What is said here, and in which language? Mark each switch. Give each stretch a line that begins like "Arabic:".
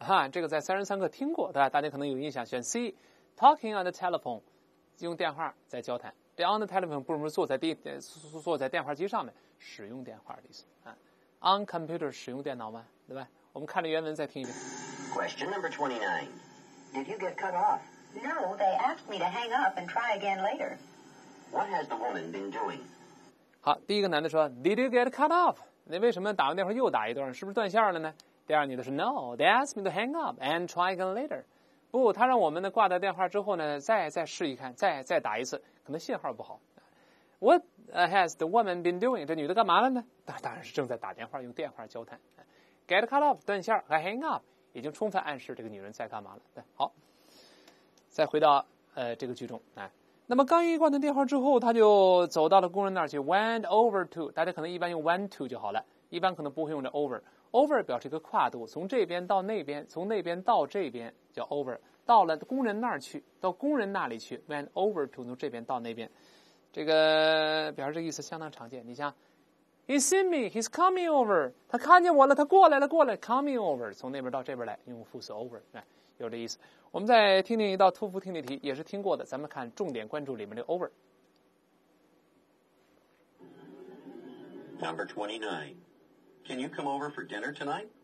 Chinese: 这个在33课听过，对吧？大家可能有印象，选 C.
English: Talking on the telephone，
Chinese: 用电话在交谈。The on the telephone 不是坐在电话机上面使用电话的意思啊。 On computer 使用电脑吗？对吧？我们看着原文再听一遍。
English: Question number 29. Did you get cut off? No, they asked me to hang up and try again later. What has the woman been doing?
Chinese: 好，第一个男的说 ，
English: Did you get cut off?
Chinese: 那为什么打完电话又打一段？是不是断线了呢？第二女的是 ，
English: No, they asked me to hang up and try again later.
Chinese: 不，他让我们呢挂掉电话之后呢，再试一看，再打一次。可能信号不好。
English: What has the woman been doing?
Chinese: 这女的干嘛了呢？当然是正在打电话，用电话交谈。Get cut off 断线和 hang up 已经充分暗示这个女人在干嘛了。对，好，再回到这个剧中啊。那么刚一挂断电话之后，她就走到了工人那儿去 ，went over to。大家可能一般用 went to 就好了，一般可能不会用这 over。Over 表示一个跨度，从这边到那边，从那边到这边叫 over。到了工人那儿去，到工人那里去 ，went over to， 从这边到那边，这个表示这个意思相当常见。你像 ，
English: He seen me, he's coming over，
Chinese: 他看见我了，他过来了，过来 ，coming over， 从那边到这边来，用副词 over， 有这意思。我们再听听一道托福听力题，也是听过的，咱们看重点关注里面的 over。
English: Number 29, can you come over for dinner tonight?